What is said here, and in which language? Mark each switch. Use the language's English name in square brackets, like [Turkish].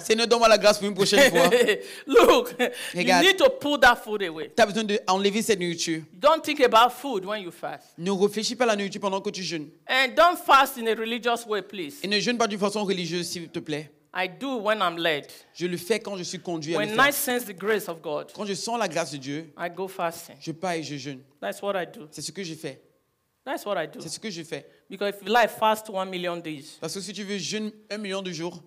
[French] Seigneur, donne-moi la grâce pour une prochaine fois. [English] Look. [French] Regarde, [English] you need to pull that food away. [French] T'as besoin d'enlever cette nourriture. [English] Don't think about food when you fast. [French] Ne réfléchis pas à la nourriture pendant que tu jeûnes. [English] And don't fast in a religious way, please. [French] Et ne jeûne pas d'une façon religieuse, s'il te plaît. [English] I do when I'm led. [French] Je le fais quand je suis conduit [English] when [French] à le faire. [English] I sense the grace of God, [French] quand je sens la grâce de Dieu, [English] I go fasting. [French] Je pars et je jeûne. [English] That's what I do. [French] C'est ce que je fais. [English] That's what I do. [French] C'est ce que je fais. [English] Because if life fasts 1 million days, [French] parce que si tu veux jeûner 1 million de jours,